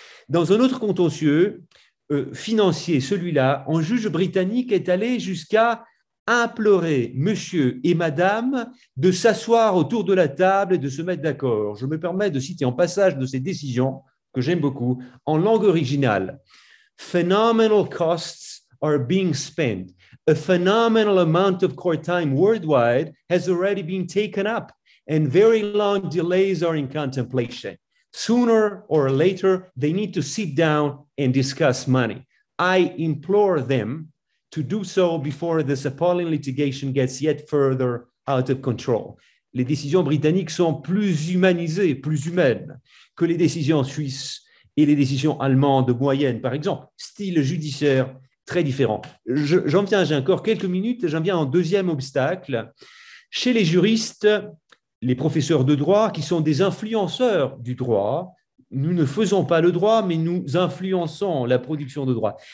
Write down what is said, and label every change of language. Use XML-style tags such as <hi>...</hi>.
<fr>Dans un autre contentieux financier, celui-là, un juge britannique est allé jusqu'à implorer monsieur et madame de s'asseoir autour de la table et de se mettre d'accord. Je me permets de citer en passage de ces décisions que j'aime beaucoup en langue originale.</fr> <en>Phenomenal costs are being spent. A phenomenal amount of court time worldwide has already been taken up and very long delays are in contemplation. Sooner or later, they need to sit down and discuss money. I implore them to do so before this appalling litigation gets yet further out of control.</en> <fr>Les décisions britanniques sont plus humanisées, plus humaines que les décisions suisses et les décisions allemandes moyennes, par exemple. Style judiciaire très différent. J'en viens, j'ai encore quelques minutes, j'en viens en deuxième obstacle. Chez les juristes, les professeurs de droit, qui sont des influenceurs du droit, nous ne faisons pas le droit, mais nous influençons la production de droit.</fr>